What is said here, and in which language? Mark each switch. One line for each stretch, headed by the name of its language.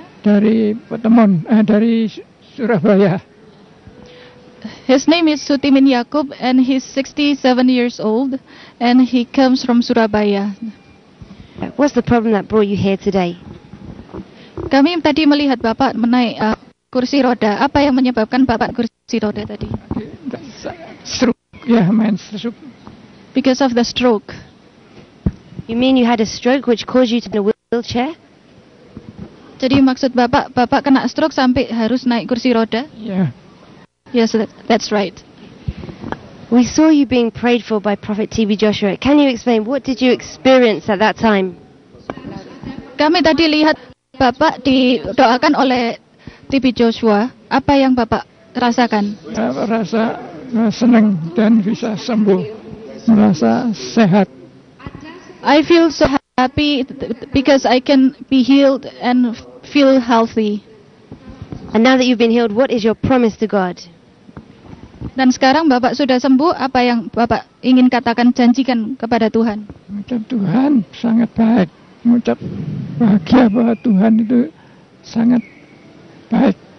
Indonesian: Dari Petemon, dari Surabaya.
English: His name is Sutimin Yakub and he's 67 years old and he comes from Surabaya. What's the problem that brought you here today?
Indonesian: Kami tadi melihat Bapak menaik kursi roda. Apa yang menyebabkan Bapak kursi roda tadi?
English: Stroke. Yeah, main stroke. Because of the stroke. You mean you had a stroke which caused you to be in a wheelchair?
Indonesian: Jadi maksud Bapak, Bapak kena stroke sampai harus naik kursi roda?
English: Yeah. Yes, that's right. We saw you being prayed for by Prophet T.B. Joshua. Can you explain what did you experience at that time?
Indonesian: Kami tadi lihat Bapak didoakan oleh T.B. Joshua. Apa yang Bapak rasakan? Saya rasa senang dan bisa sembuh. Merasa sehat.
English: I feel so happy because I can be healed and feel healthy. And now that you've been healed, what is your promise to God?
Indonesian: Dan sekarang Bapak sudah sembuh, apa yang Bapak ingin katakan, janjikan kepada Tuhan? Mengucap Tuhan sangat baik. Mengucap bahagia bahwa Tuhan itu sangat baik.